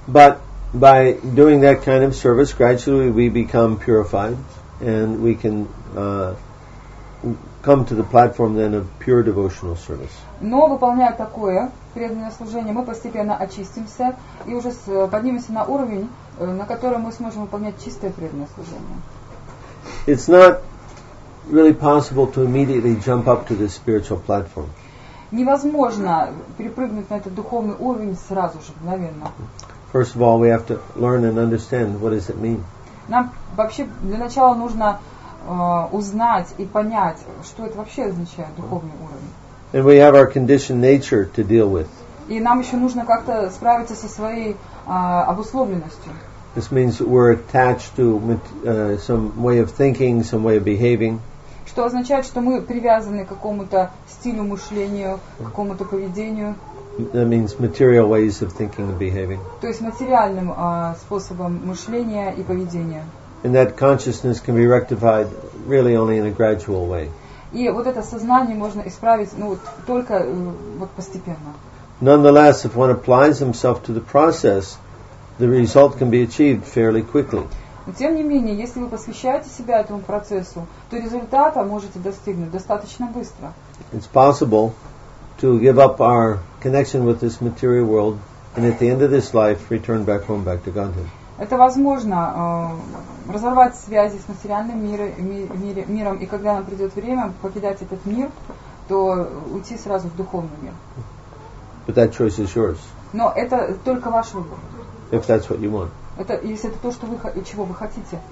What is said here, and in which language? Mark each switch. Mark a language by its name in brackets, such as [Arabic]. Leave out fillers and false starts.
[English] But by doing that kind of service, gradually we become purified, and we can come to the platform then of pure devotional service. [Russian] Но выполняя такое преданное служение, мы постепенно очистимся и уже поднимемся на уровень, на котором мы сможем выполнять чистое преданное служение. [English] It's not really possible to immediately jump up to this spiritual platform. [Russian] Невозможно перепрыгнуть на этот духовный уровень сразу же, мгновенно. [English] First of all, we have to learn and understand what does it mean. [Russian] Нам вообще для начала нужно узнать и понять, что это вообще означает духовный уровень. [English] And we have our conditioned nature to deal with. [Russian] И нам еще нужно как-то справиться со своей обусловленностью. [English] This means that we're attached to some way of thinking, some way of behaving. [Russian] Что означает, что мы привязаны к какому-то стилю мышления, к какому-то поведению. [English] That means material ways of thinking and behaving. [Russian] То есть материальным способом мышления и поведения. [English] And that consciousness can be rectified really only in a gradual way. [Russian] И вот это сознание можно исправить, ну вот только вот постепенно. [English] Nonetheless, if one applies himself to the process, the result can be achieved fairly quickly. [Russian] Но тем не менее, если вы посвящаете себя этому процессу, то результата можете достигнуть достаточно быстро. [English] It's possible to give up our connection with this material world and at the end of this life return back home, back to Godhead. [Russian] Это возможно разорвать связи с материальным миром, и когда нам придет время покидать этот мир, то уйти сразу в духовный мир. [English] But that choice is yours. [Russian] Но это только ваш выбор. [English] If that's what you want. [Russian] Это если это то, что вы чего вы хотите.